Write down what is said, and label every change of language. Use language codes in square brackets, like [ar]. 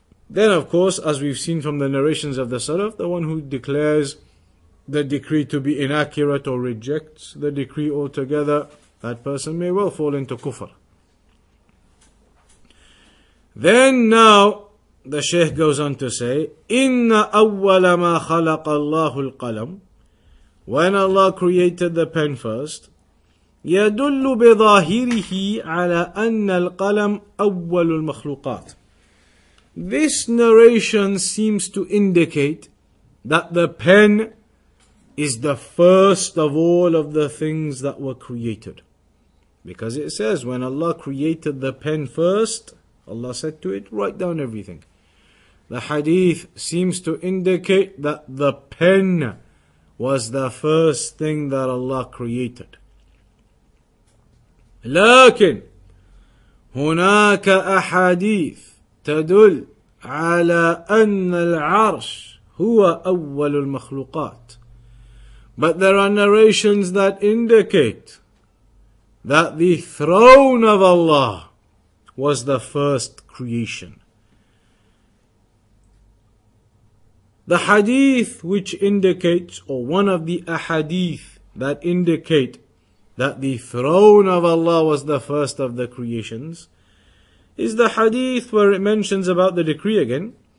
[en] Then of course, as we've seen from the narrations of the Salaf, the one who declares the decree to be inaccurate or rejects the decree altogether, that person may well fall into kufr. Then now, the Sheikh goes on to say, [ar] إِنَّ أَوَّلَ مَا خَلَقَ اللَّهُ الْقَلَمُ. [en] When Allah created the pen first, [ar] يَدُلُّ بِظَاهِرِهِ عَلَىٰ أَنَّ الْقَلَمْ أَوَّلُ الْمَخْلُوقَاتِ. [en] This narration seems to indicate that the pen is the first of all of the things that were created. Because it says, when Allah created the pen first, Allah said to it, write down everything. The hadith seems to indicate that the pen was the first thing that Allah created. [ar] لكن هناك أحاديث تدل على أن العرش هو أول المخلوقات. [en] But there are narrations that indicate that the throne of Allah was the first creation. The hadith which indicates, or one of the ahadith that indicate that the throne of Allah was the first of the creations, is the hadith where it mentions about the decree again.